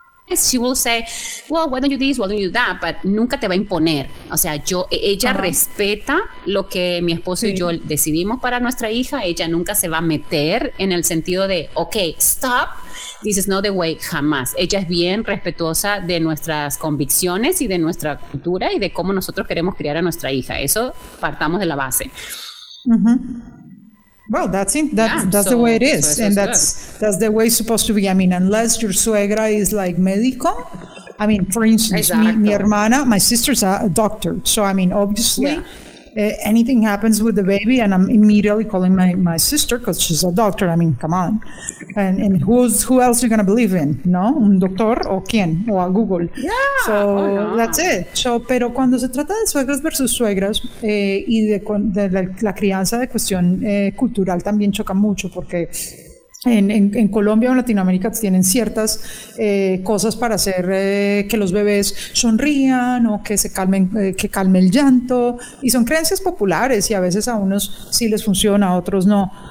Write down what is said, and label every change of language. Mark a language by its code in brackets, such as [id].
[en] She will say, well, why don't you do this, why don't you do that, but [es] nunca te va a imponer. O sea, ella respeta lo que mi esposo y yo decidimos para nuestra hija. Ella nunca se va a meter en el sentido de, [en] okay, stop, this is not the way, [es] jamás. Ella es bien respetuosa de nuestras convicciones y de nuestra cultura y de cómo nosotros queremos criar a nuestra hija. Eso partamos de la base. [en] Well, that's the way it is, and that's the way it's supposed to be. I mean, unless your suegra is like médico, I mean, for instance, [es] mi hermana, [en] my sister's a doctor, so I mean, obviously, anything happens with the baby, and I'm immediately calling my sister because she's a doctor. I mean, come on, and who else are you gonna believe in? [es] No, un doctor o quién o a Google. [en] Yeah. So that's it. [es] So, pero cuando se trata de suegras versus suegras y de la crianza de cuestión cultural también choca mucho porque en Colombia o en Latinoamérica tienen ciertas cosas para hacer que los bebés sonrían o que se calmen, que calme el llanto, y son creencias populares y a veces a unos sí les funciona, a otros no.